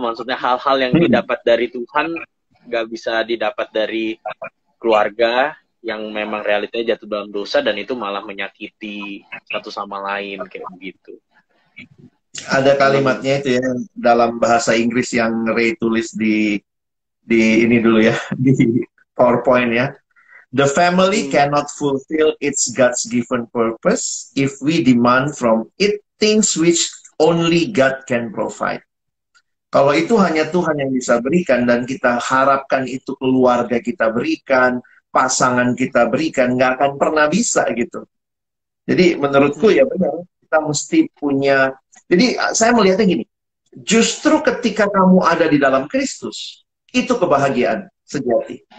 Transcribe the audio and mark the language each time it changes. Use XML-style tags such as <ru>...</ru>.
<id>Maksudnya hal-hal yang didapat dari Tuhan gak bisa didapat dari keluarga yang memang realitanya jatuh dalam dosa dan itu malah menyakiti satu sama lain kayak gitu. Ada kalimatnya itu ya dalam bahasa Inggris yang Ray tulis di ini dulu ya, di PowerPoint ya.</id> <en>The family cannot fulfill its God's given purpose if we demand from it things which only God can provide.</en> <id>Kalau itu hanya Tuhan yang bisa berikan dan kita harapkan itu keluarga kita berikan, pasangan kita berikan, nggak akan pernah bisa gitu. Jadi menurutku ya benar, kita mesti punya. Jadi saya melihatnya gini, justru ketika kamu ada di dalam Kristus, itu kebahagiaan sejati.</id>